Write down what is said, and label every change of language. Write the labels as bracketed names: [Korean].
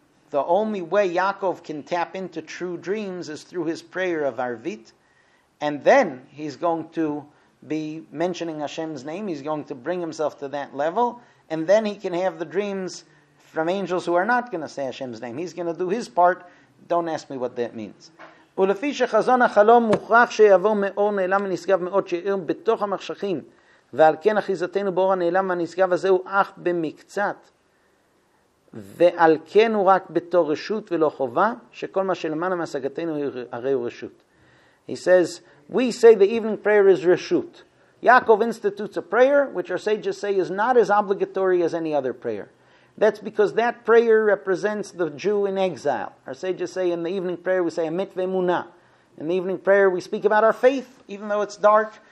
[English] the only way Yaakov can tap into true dreams is through his prayer of Arvit. And then he's going to be mentioning Hashem's name. He's going to bring himself to that level. And then he can have the dreams from angels who are not going to say Hashem's name. He's going to do his part. Don't ask me what that means. [Hebrew] ולפי שחזון החלום מוכרח שיבוא מאור נעלם ונשגב מאוד שאיר בתוך המחשכים, ועל כן אחיזתנו באור הנעלם והנשגב הזה הוא אך במקצת, ועל כן הוא רק בתור רשות ולא חובה, שכל מה שלמעלה מהשגתנו הרי הוא רשות. [English] He says, we say the evening prayer is רשות. Yaakov institutes a prayer, which our sages say is not as obligatory as any other prayer. That's because that prayer represents the Jew in exile. Our sages say in the evening prayer we say Amit ve'munah. In the evening prayer we speak about our faith, even though it's dark.